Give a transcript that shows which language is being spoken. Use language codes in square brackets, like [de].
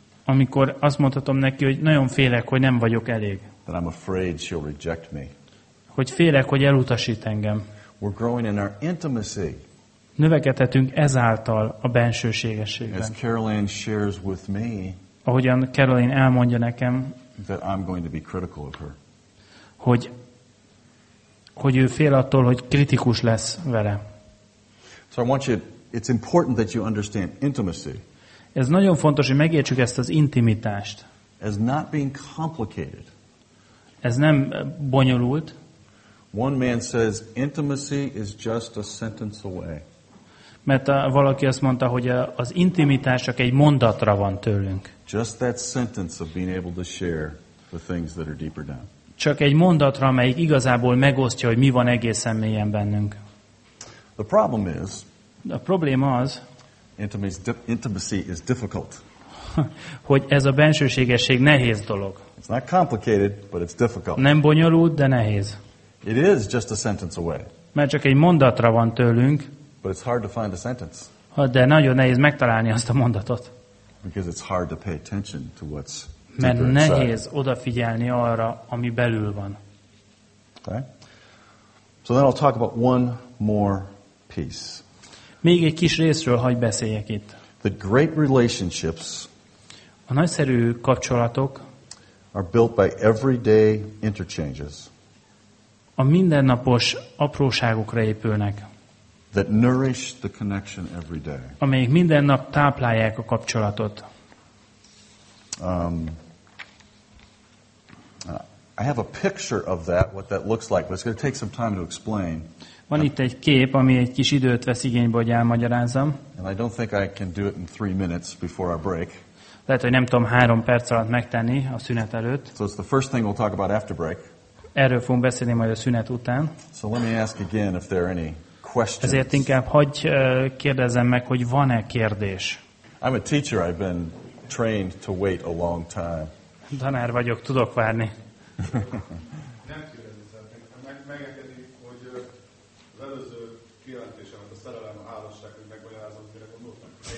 [hu] Amikor azt mondhatom neki, hogy nagyon félek, hogy nem vagyok elég. [en] That I'm afraid she'll reject me. [hu] Hogy félek, hogy elutasít engem. [en] We're growing in our intimacy. [hu] Növekedhetünk ezáltal a bensőségességben. [en] As Caroline shares with me, [hu] ahogyan Caroline elmondja nekem, [en] that I'm going to be critical of her. [hu] Hogy ő fél attól, hogy kritikus lesz vele. [en] So I want you, it's important that you understand intimacy. [hu] Ez nagyon fontos, hogy megértsük ezt az intimitást. [en] As not being complicated. [hu] Ez nem bonyolult. [en] One man says intimacy is just a sentence away. [hu] Mert valaki azt mondta, hogy az intimitás csak egy mondatra van tőlünk. [en] Just that sentence of being able to share the things that are deeper down. [hu] Csak egy mondatra, amelyik igazából megosztja, hogy mi van egészen mélyen bennünk. [en] The problem is. [hu] A probléma az. [en] Intimacy is difficult. [hu] hogy ez a bensőségesség nehéz dolog. [en] It's not complicated, but it's difficult. [hu] Nem bonyolult, de nehéz. [en] It is just a sentence away. [hu] Mert csak egy mondatra van tőlünk. [en] But it's hard to find a sentence. [hu] De nagyon nehéz megtalálni azt a mondatot. [en] Because it's hard to pay attention to what's deeper inside. [hu] Mert nehéz odafigyelni arra, ami belül van. [en] Okay. So then I'll talk about one more piece. [hu] Még egy kis részről hagy beszéljek itt. [en] The great relationships. [hu] A nagyszerű kapcsolatok. [en] Are built by everyday interchanges. [hu] A mindennapos apróságokra épülnek. [en] That nourish the connection every day. [hu] Amelyek minden nap táplálják a kapcsolatot. [en] I have a picture of that, what that looks like, but it's going to take some time to explain. [hu] Van itt egy kép, ami egy kis időt vesz igénybe, hogy elmagyarázzam. [en] And I don't think I can do it in 3 minutes before our break. [hu] Lehet, hogy nem tudom 3 perc alatt megtenni a szünet előtt. [en] So it's the first thing we'll talk about after break. [hu] Erről fogunk beszélni majd a szünet után. [en] So let me ask again if there are any questions. [hu] Ezért inkább hagyj kérdezzem meg, hogy van-e kérdés. [en] I'm a teacher, I've been trained to wait a long time. [hu] Tanár vagyok, tudok várni. Nem kérdezni szeretném. Megengedni, hogy az előző kijelentésemet a szerelem, a házasság, hogy megmagyarázom, mire gondoltam.